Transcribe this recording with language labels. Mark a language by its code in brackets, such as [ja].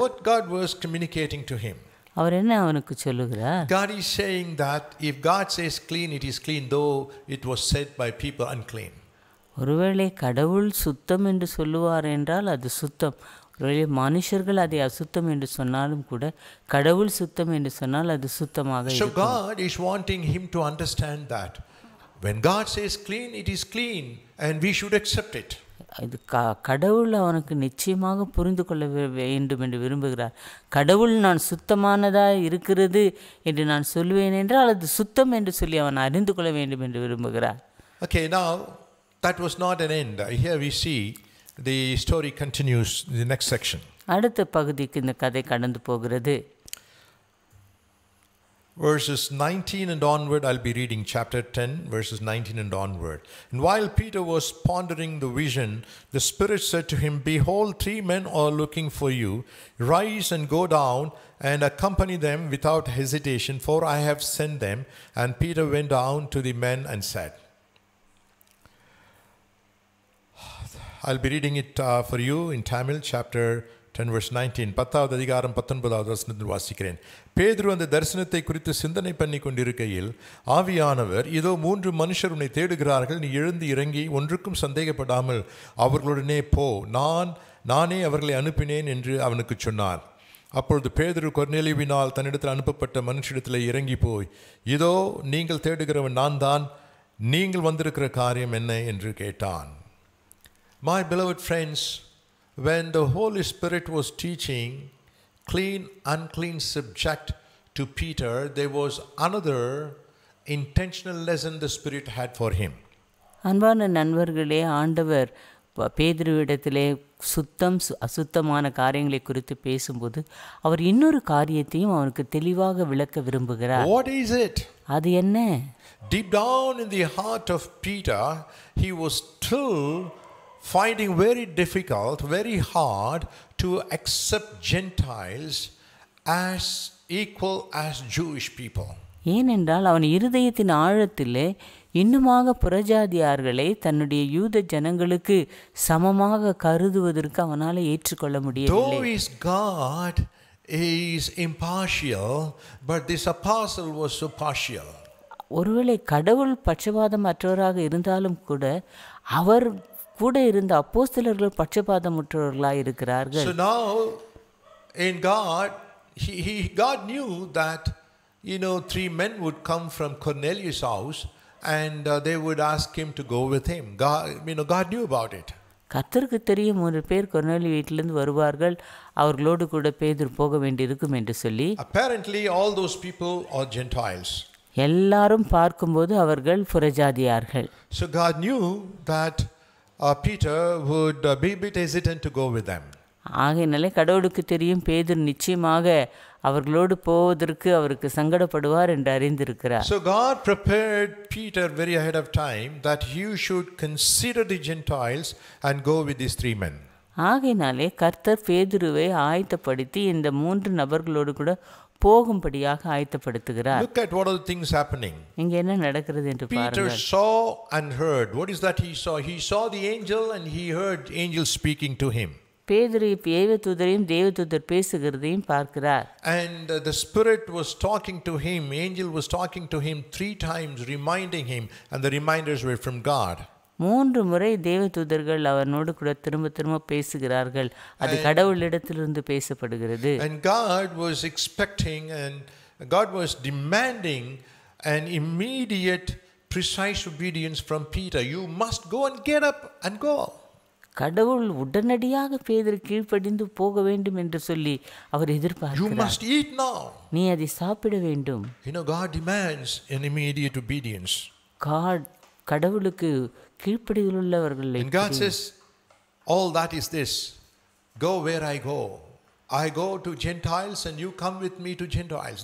[en] So what God was communicating to him? [ta] அவர் என்ன அவனுக்கு சொல்லுகிறார்? [en] God is saying that if God says clean, it is clean, though it was said by people unclean. [ta] ஒருவேளை கடவுள் சுத்தம் என்று சொல்லுவார் என்றால் அது சுத்தம். ஒருவேளை மனுஷர்கள் அதை அசுத்தம் என்று சொன்னாலும் கூட கடவுள் சுத்தம் என்று சொன்னால் அது சுத்தமாக இருக்கும். [en] So God is wanting him to understand that when God says clean, it is clean and we should accept it. [ta] இது கடவுள் அவனுக்கு நிச்சயமாக புரிந்து கொள்ள வேண்டும் என்று விரும்புகிறார். கடவுள் நான் சுத்தமானதாக இருக்கிறது என்று நான் சொல்வேன் என்றால் அது சுத்தம் என்று சொல்லி அவன் அறிந்து கொள்ள வேண்டும் என்று விரும்புகிறார். [en] Okay, now that was not an end. Here we see the story continues in the next section. [ta] அடுத்த பகுதிக்கு இந்த கதை கடந்து போகிறது. [en] Verses 19 and onward, I'll be reading chapter 10, verses 19 and onward. And while Peter was pondering the vision, the Spirit said to him, Behold, three men are looking for you. Rise and go down and accompany them without hesitation, for I have sent them. And Peter went down to the men and said, I'll be reading it for you in Tamil, chapter 10 verse 19 [ta] பத்தாவது அதிகாரம் 19வது வசனத்தில் வாசிக்கிறேன். பேதுரு அந்த தரிசனத்தை குறித்து சிந்தனை பண்ணி கொண்டிருக்கையில் ஆவியானவர், இதோ மூன்று மனுஷர் உன்னை தேடுகிறார்கள், நீ எழுந்து இறங்கி ஒன்றுக்கும் சந்தேகப்படாமல் அவர்களுடனே போ, நானே அவர்களை அனுப்பினேன் என்று அவனுக்கு சொன்னார். அப்பொழுது பேதுரு கொர்நேலியுவினால் தன்னிடத்தில் அனுப்பப்பட்ட மனுஷரிடத்தில் இறங்கி போய், இதோ நீங்கள் தேடுகிறவன் நான் தான், நீங்கள் வந்திருக்கிற காரியம் என்ன என்று கேட்டான். [en] My beloved friends, when the Holy Spirit was teaching clean unclean subject to Peter, there was another intentional lesson the Spirit had for him. [ta] அன்பான நண்பர்களே, ஆண்டவர் பேதுருவிடத்திலே சுத்தம் அசுத்தமான காரியங்களை குறித்து பேசும்போது அவர் இன்னொரு காரியத்தையும் அவனுக்கு தெளிவாக விளக்க விரும்புகிறார். [en] What is it? [ta] அது என்ன? [en] Deep down in the heart of Peter, he was still finding very difficult, very hard to accept Gentiles as equal as Jewish people. [ta] ஏனென்றால் அவன் இருதயத்தின் ஆழத்திலே இன்னுமாக புறஜாதியார்களை தன்னுடைய யூத ஜனங்களுக்கு சமமாக கருதுவதற்கு அவனால் ஏற்றுக்கொள்ள முடியவில்லை. [en] Though his God is impartial, but this apostle was so partial. [ta] ஒருவேளை கடவுள் பட்சபாதமற்றவராக இருந்தாலும் கூட அவர் கூட இருந்த அப்போஸ்தலர்கள் பட்சபாதமுற்றவர்களாக இருக்கிறார்கள். [en] So now in God, God knew that, you know, three men would come from Cornelius' house and they would ask him to go with him. God knew about it. [ta] கர்த்தருக்கு தெரியும், ஒரு பேர் கொர்நேலியு வீட்டிலிருந்து வருவார்கள், அவர்களோடு கூட பேதுரு போக வேண்டியிருக்கும் என்று சொல்லி. [en] Apparently all those people are Gentiles. [ta] எல்லாரும் பார்க்கும்போது அவர்கள் புறஜாதியார்கள். [en] So God knew that Peter would be a bit hesitant to go with them. [ta] ஆகையினாலே கடவுளுக்கு தெரியும், பேதுரு நிச்சயமாக அவர்களோடு போவதற்கு அவருக்கு சங்கடப்படுவார் என்று அறிந்திருக்கிறார். [en] So God prepared Peter very ahead of time that he should consider the Gentiles and go with these three men. [ta] ஆகையினாலே கர்த்தர் பேதுருவை ஆயத்தப்படுத்தி இந்த மூன்று நபர்களோடு கூட போகும்படியாக ஆயத்தப்படுத்துகிறார். [en] Look at what are the things happening. [ta] இங்க என்ன நடக்கிறது என்று பாருங்கள். [en] Peter saw and heard. What is that he saw? He saw the angel and he heard angels speaking to him. [ta] பேதுரு தேவதூதரையும் தேவதூதர் பேசுகிறதையும் பார்க்கிறார். [en] And the spirit was talking to him. Angel was talking to him three times, reminding him, and the reminders were from God. [ta] மூன்று முறை தேவதூதர்கள் அவனோடு கூட திரும்ப திரும்ப பேசுகிறார்கள். அது கடவுளிடத்திலிருந்து பேசப்படுகிறது. [en] And God was expecting and God was demanding an immediate precise obedience from Peter. You must go and get up and go. [ta] கடவுள் உடனடியாக பேதுரு கீழ்ப்படிந்து போக வேண்டும் என்று சொல்லி அவர் எதிர்பார்க்கிறார். [en] You must eat now. [ta] நீ அதை சாப்பிட வேண்டும். [en] You know, God demands an immediate obedience. [ta] கடவுளுக்கு கீழ்ப்படிதல் உள்ளவர்கள். [en] And God says, all that is this. Go where I go. I go to Gentiles and you come with me to Gentiles.